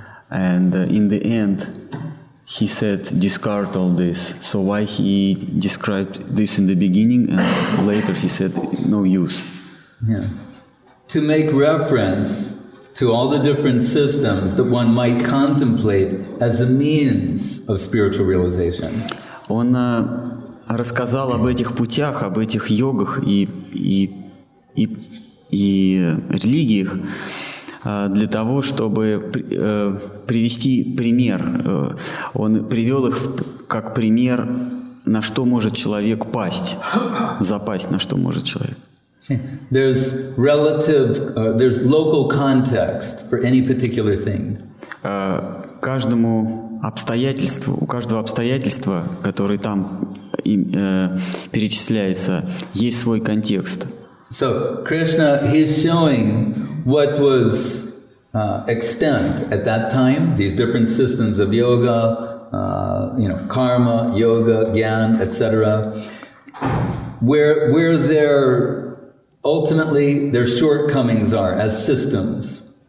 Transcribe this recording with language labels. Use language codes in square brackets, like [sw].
[en] And in the end, he said, discard all this. So why he described this in the beginning and later he said, no use. Yeah. To make reference to all the different systems that one might contemplate as a means of spiritual realization. [ru] Он рассказал об этих путях, об этих йогах и религиях для того, чтобы привести пример. Он привел их как пример, на что может человек пасть, запасть на что может человек. [en] There's relative, there's local context for any particular thing. [ru] Каждому обстоятельству, у каждого обстоятельства, которое там перечисляется, есть свой контекст. [en] So Krishna, he's showing what was extant at that time, these different systems of yoga, you know, karma, yoga, jnana, etc. Where their ultimately their shortcomings are as systems.